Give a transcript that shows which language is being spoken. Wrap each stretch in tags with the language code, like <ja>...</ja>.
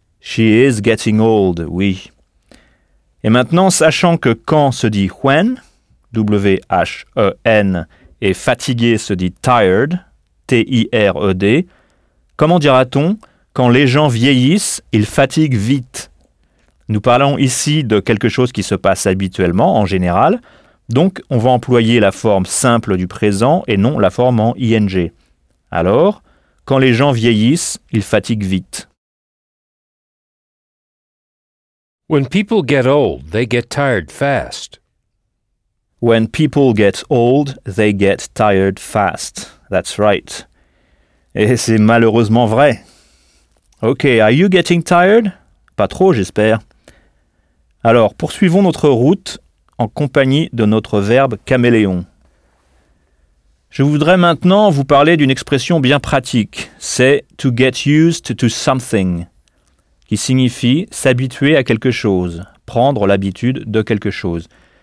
<en>She is getting old,</en> <fr>oui. Et maintenant, sachant que quand se dit when, W-H-E-N, et fatigué se dit tired, T-I-R-E-D, comment dira-t-on quand les gens vieillissent, ils fatiguent vite? Nous parlons ici de quelque chose qui se passe habituellement, en général, donc on va employer la forme simple du présent et non la forme en ing. Alors, quand les gens vieillissent, ils fatiguent vite.</fr> <en>When people get old, they get tired fast. When people get old, they get tired fast. That's right.</en> <fr>Et c'est malheureusement vrai.</fr> <en>Ok, are you getting tired?</en> <fr>Pas trop, j'espère. Alors, poursuivons notre route en compagnie de notre verbe caméléon. Je voudrais maintenant vous parler d'une expression bien pratique, c'est «</fr> <en>to get used to something</en> <fr>», qui signifie « s'habituer à quelque chose »,« prendre l'habitude de quelque chose ».</fr>